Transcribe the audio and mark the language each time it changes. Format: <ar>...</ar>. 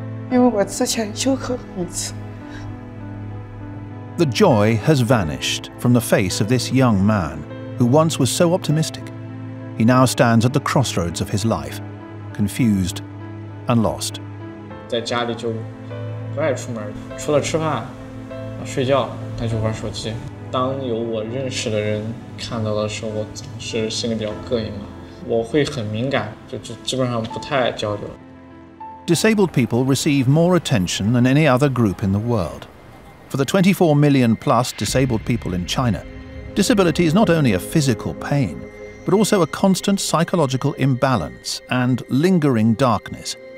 <zh>因为我之前休克过一次。</zh> <en>The joy has vanished from the face of this young man who once was so optimistic. He now stands at the crossroads of his life, confused and lost.</en> <zh>在家里就不爱出门，除了吃饭、睡觉，那就玩手机。当有我认识的人看到的时候，我总是心里比较膈应嘛，我会很敏感，就基本上不太交流。</zh> <en>Disabled people receive more attention than any other group in the world. For the 24 million plus disabled people in China, disability is not only a physical pain, but also a constant psychological imbalance and lingering darkness.</en>